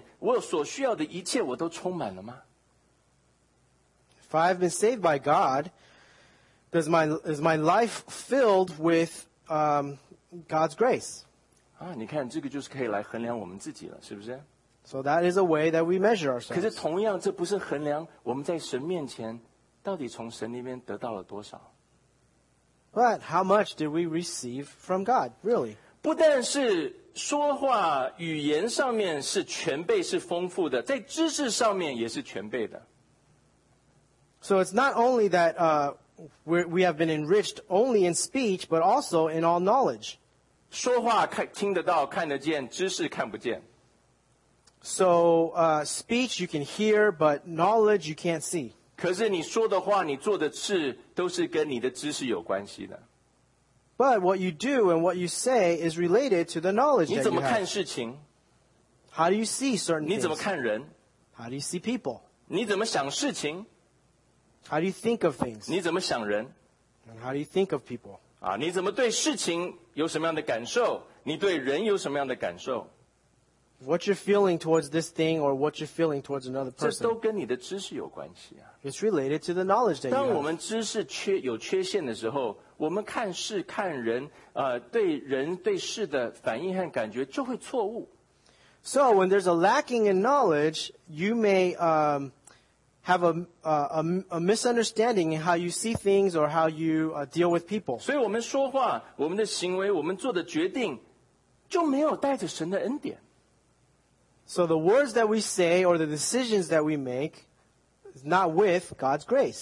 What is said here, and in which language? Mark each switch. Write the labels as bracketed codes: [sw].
[zh] 我有因为经历到主耶稣基督，神借着主耶稣基督所赐给我的恩典，所以我知道我在凡事上面，我从心灵当中，从我的生活里面，从我的物质上面，我所需要的一切我都充满了吗？ [en] If I've been saved by God, Is my life filled with God's grace? [zh] 啊，你看这个就是可以来衡量我们自己了，是不是？ [en] So that is a way that we measure ourselves. [zh] 可是同样，这不是衡量我们在神面前到底从神那边得到了多少。 [en] But how much did we receive from God, really? [zh] 不但是说话语言上面是全备是丰富的, 在知识上面也是全备的。 [en] So it's not only that we have been enriched only in speech, but also in all knowledge. [zh] 说话听得到看得见,知识看不见。 [en] So speech you can hear, but knowledge you can't see. [zh] 可是你说的话,你做的事都是跟你的知识有关系的。 [en] But what you do and what you say is related to the knowledge that you have. [zh] 你怎么看事情? [en] How do you see certain [zh] 你怎么看人? [en] Things? How do you see people? [zh] 你怎么想事情? [en] How do you think of things? [zh] 你怎么想人? [en] And how do you think of people? [zh] 你怎么对事情有什么样的感受?你对人有什么样的感受? [en] What you're feeling towards this thing or what you're feeling towards another person. [zh] 这都跟你的知识有关系啊。 [en] It's related to the knowledge that you have. [zh] 当我们知识有缺陷的时候, 我们看事看人, 对人对事的反应和感觉就会错误。 [en] So when there's a lacking in knowledge, you may have a misunderstanding in how you see things or how you deal with people. [zh] 所以我们说话, 我们的行为, 我们做的决定, 就没有带着神的恩典。 [en] So the words that we say or the decisions that we make is not with God's grace.